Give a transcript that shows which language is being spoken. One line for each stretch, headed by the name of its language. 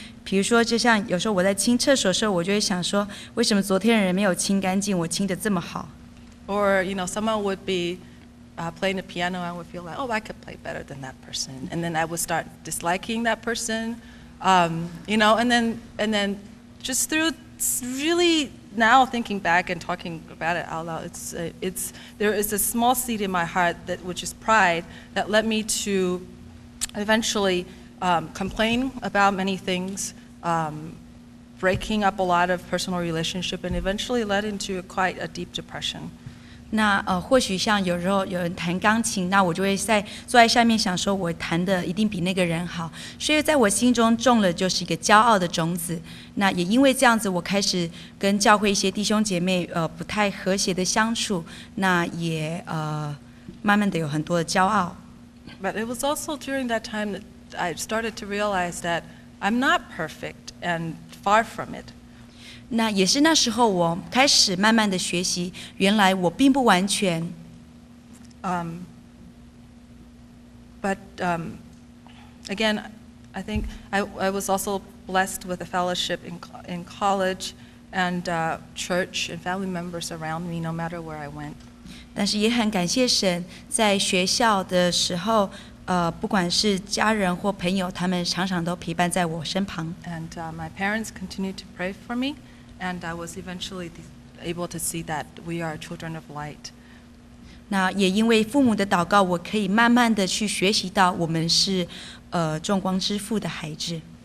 Chinese: 比如说，就像有时候我在清厕所的时候，我就会想说，为什么昨天的人没有清干净，我清得这么好
English: ？Or you know, someone would be playing the piano, I would feel like, oh, I could play better than that person, and then I would start disliking that person, you know, and then just through really now thinking back and talking about it out loud, it's there is a small seed in my heart that which is pride that led me to eventually complain about many things, breaking up a lot of personal relationship, and eventually led into quite a deep depression.
Chinese: 那或许像有时候有人弹钢琴，那我就会在坐在下面想说，我弹的一定比那个人好，所以在我心中种了就是一个骄傲的种子。那也因为这样子，我开始跟教会一些弟兄姐妹不太和谐的相处，那也慢慢的有很多的骄傲。
English: But it was also during that time that I started to realize that I'm not perfect and far from it.
Chinese: 那也是那时候我开始慢慢的学习，原来我并不完全。
English: Again, I think I was also blessed with a fellowship in college and church and family members around me, no matter where I went.
Chinese: 但是也很感谢神，在学校的时候，不管是家人或朋友，他们常常都陪伴在我身旁。
English: And my parents continued to pray for me. And I was eventually able to see that we are children of light.
Chinese: 那也因为父母的祷告，我可以慢慢的去学习到我们是众光之父的孩子。